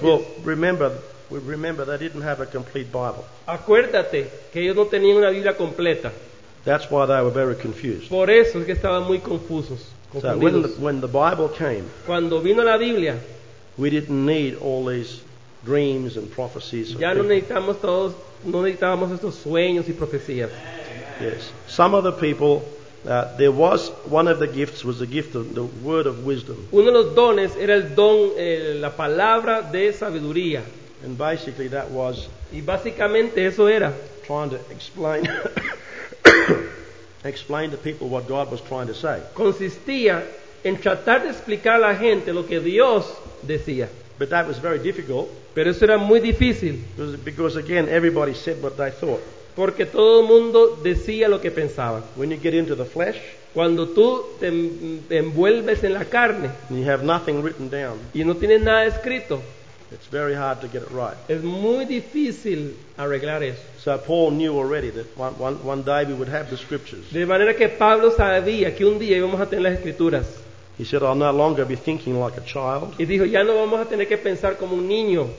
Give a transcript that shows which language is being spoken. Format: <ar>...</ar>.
<en>Well, remember, they didn't have a complete Bible.</en> <es>Acuérdate que ellos no tenían una Biblia completa.</es> <en>That's why they were very confused.</en> <es>Por eso es que estaban muy confusos.</es> <en>So when the Bible came,</en> <es>cuando vino la Biblia,</es> <en>we didn't need all these dreams and prophecies.</en> <es>Ya no necesitamos todos, no necesitábamos estos sueños y profecías.</es> <en>Yes. Some of the people, there was one of the gifts was the gift of the word of wisdom.</en> <es>Uno de los dones era el don, la palabra de sabiduría.</es> <en>And basically that was.</en> <es>Y básicamente eso era.</es> <en>Trying to explain. explain to people what God was trying to say.</en> <es>Consistía en tratar de explicar a la gente lo que Dios decía.</es> <en>But that was very difficult.</en> <es>Pero eso era muy difícil.</es> <en>Because again, everybody said what they thought.</en> <es>Porque todo el mundo decía lo que pensaba.</es> <en>When you get into the flesh,</en> <es>cuando tú te envuelves en la carne,</es> <en>you have nothing written down,</en> <es>y no tienes nada escrito,</es> <en>it's very hard to get it right.</en> <es>Es muy difícil arreglar eso.</es> <en>So Paul knew already that one day we would have the scriptures.</en> <es>De manera que Pablo sabía que un día íbamos a tener las escrituras.</es> <en>He said, "I'll no longer be thinking like a child."</en> <es>Y dijo, ya no vamos a tener que pensar como un niño.</es>